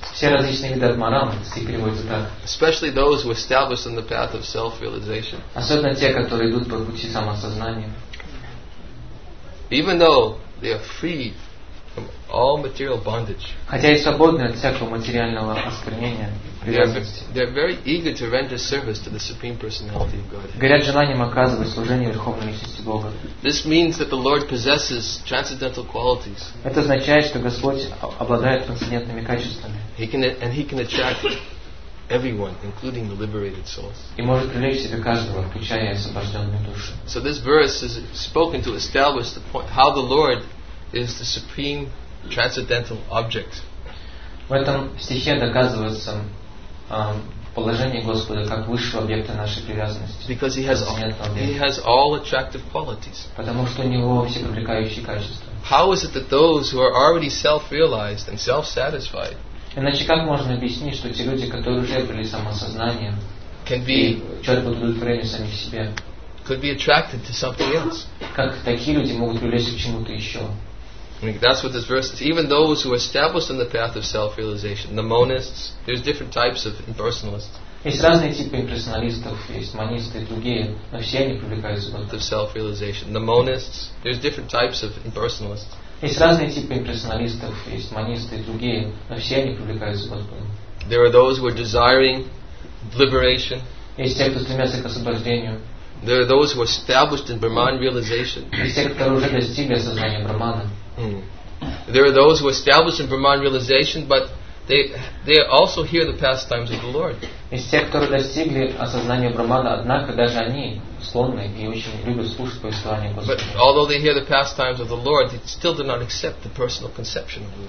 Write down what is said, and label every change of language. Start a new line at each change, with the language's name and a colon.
Russian: Все различные виды Атмарам, если переводится так.
English: Especially those who established on the path of self-realization.
Russian: Особенно те, которые идут по пути самосознания.
English: Even though they are free from all material bondage.
Russian: Хотя и свободны от всякого материального оскорнения, привязанности.
English: They are very eager to render service to the Supreme Personality of God.
Russian: Горят желанием оказывать служение Верховной Личности Бога.
English: This means that the Lord possesses transcendental qualities.
Russian: Это означает, что Господь обладает трансцендентными качествами.
English: He can attract everyone, including the liberated souls.
Russian: И может привлечь себе каждого, включая освобожденную душу.
English: So this verse is spoken to establish the point how the Lord is the supreme transcendental object.
Russian: В этом стихе доказывается положение Господа как высшего объекта нашей привязанности.
English: Because he has all attractive qualities.
Russian: Потому что у него все привлекающие качества.
English: How is it that those who are already self-realized and self-satisfied?
Russian: Иначе как можно объяснить, что те люди, которые уже обрели самосознание, четко удовлетворение самих себе,
English: could be attracted to something else.
Russian: Как такие люди могут привлечься к чему-то еще?
English: I mean, that's what this verse is. Even those who are established on the path of self-realization, the monists, there's different types of impersonalists.
Russian: Есть разные типы имперсоналистов, есть монисты и другие, но все они привлекаются к Богу.
English: Of self-realization, the monists, there's different types of impersonalists.
Russian: Есть разные типы имперсоналистов, есть монисты и другие, но все они привлекаются к Богу.
English: There are those who are desiring liberation.
Russian: Есть те, кто стремятся к освобождению.
English: There are those who are established in Brahman realization.
Russian: Есть те, кто уже достигли осознания Брахмана.
English: There are those who are established in Brahman realization, but they also hear the pastimes of the Lord.
Russian: Из тех, кто достигли осознания Брахмана, однако даже они склонны и очень любят слушать повествования Господа.
English: But although they hear the pastimes of the Lord, they still do not accept the personal conception of the Lord.